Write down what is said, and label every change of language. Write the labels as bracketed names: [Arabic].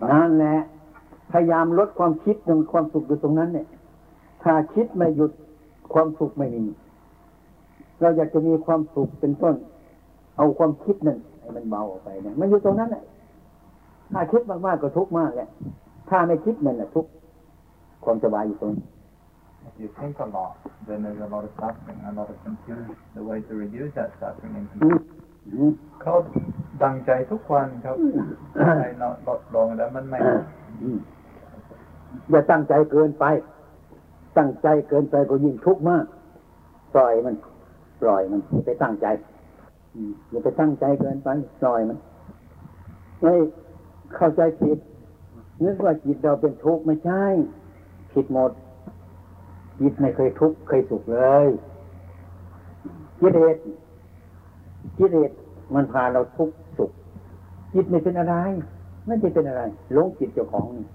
[Thai] นั่นแหละพยายามลดความคิดตรงความสุขอยู่ตรงนั้นเนี่ยถ้าคิดไม่หยุดความสุขไม่มีเราอยากจะมีความสุขเป็นต้นเอาความคิดนั่นให้มันเบาออกไปเนี่ยมันอยู่ตรงนั้นแหละถ้าคิดมากๆก็ทุกข์มากแหละถ้าไม่คิดนั่นแหละทุกข์ความสบายอยู่ตรงนี้ [English] If you think a lot, then there's a lot of suffering, a lot of confusion. The way to reduce that suffering and confusion. [Thai] เขาดังใจทุกวันครับใจลดลงแล้วมันไม่อย่าตั้งใจเกินไปตั้งใจเกินไปก็ยิ่งทุกข์มากปล่อยมันอย่าไปตั้งใจอย่าไปตั้งใจเกินไปปล่อยมันไอเข้าใจผิดนึกว่าจิตเราเป็นทุกข์ไม่ใช่ผิดหมดจิตไม่เคยทุกข์เคยสุขเลยกิเลสมันพาเราทุกข์สุขจิตไม่เป็นอะไรมันจะเป็นอะไรหลงจิตเจ้าของ